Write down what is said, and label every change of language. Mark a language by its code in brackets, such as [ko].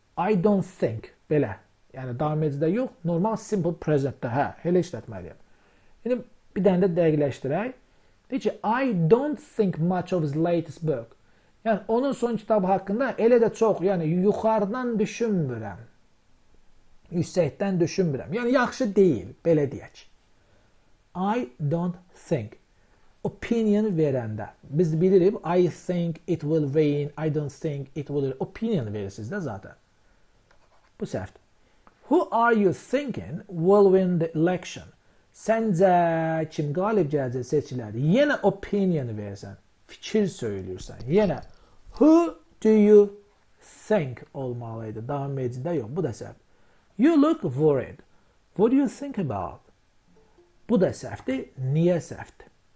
[tr] I don't think, [az] belə. [tr] Yani devam edici de yok, normal simple present'te, ha, hele işletmeliyim. Şimdi bir tane de [az] dəqiqləşdirək. Deyir ki, [en] I don't think much of his latest book. [az] Yani onun son kitabı hakkında elə də çox, yani yuxarıdan düşünmürəm. Yüksəkdən düşünmürəm. Yani yaxşı deyil, belə deyək. [en] I don't think. [az] Opinion verəndə. Biz bilirik, [en] I think it will rain, I don't think it will rain. [az] Opinion verirsiniz də zaten. Bu səhvdir. [en] Who are you thinking will win the election? [az] Səncə kim qalib gələcək seçilər? Yenə opinion versən, fikir söylüyorsan, yenə [en] who do you think [az] olmalıydı? Davam edicində yox, bu da səhv. [en] You look worried. What do you think about? [az] Bu da səhvdir. Niyə səhvdir?